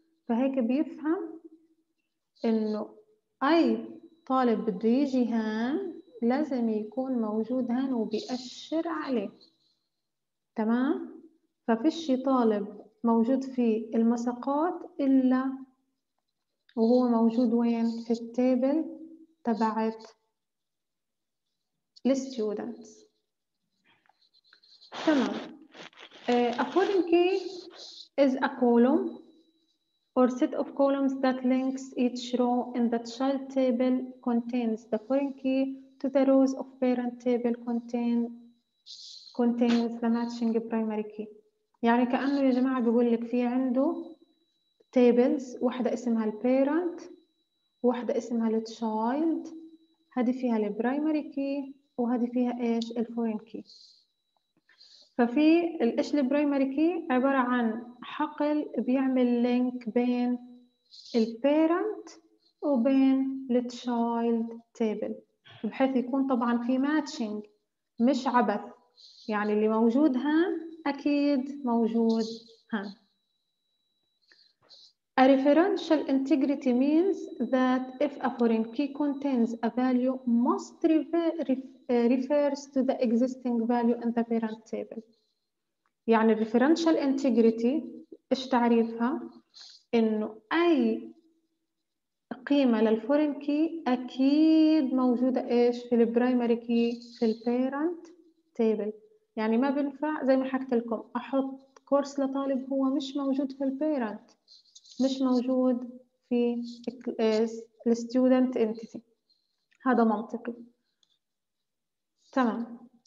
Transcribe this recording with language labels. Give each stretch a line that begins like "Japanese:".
Arabic: فهيك بيفهم انه اي طالب بده يجي هان لازم يكون موجود هان وبيأشر عليه، تمام؟ ففيش طالب موجود في المساقات الا وهو موجود وين؟ في التابل تبعت الستودنتس، تمام.
English: According key is a column or set of columns that links each row in the child table contains the foreign key to the rows of parent table contains the matching primary key.
Arabic: يعني كأنه يا جماعة بيقول لك في عنده tables، واحدة اسمها parent واحدة اسمها child، هذه فيها primary key وهذه فيها إيش؟ الفورين كي. ففي الإيش البرايمري كي عبارة عن حقل بيعمل لينك بين البيرنت وبين التشايلد تيبل، بحيث يكون طبعاً في ماتشنج مش عبث، يعني اللي موجود هان أكيد موجود هان.
English: A referential integrity means that if a foreign key contains a value must refers to the existing value in the parent table.
Arabic: يعني referential integrity إيش تعريفها؟ إنه أي قيمة للفورين كي أكيد موجودة إيش؟ في البرايمري كي في البيرنت تيبل. يعني ما بنفع زي ما حكت لكم أحط كورس لطالب هو مش موجود في البيرنت، مش موجود في الستودنت انتيتي، هذا منطقي، تمام.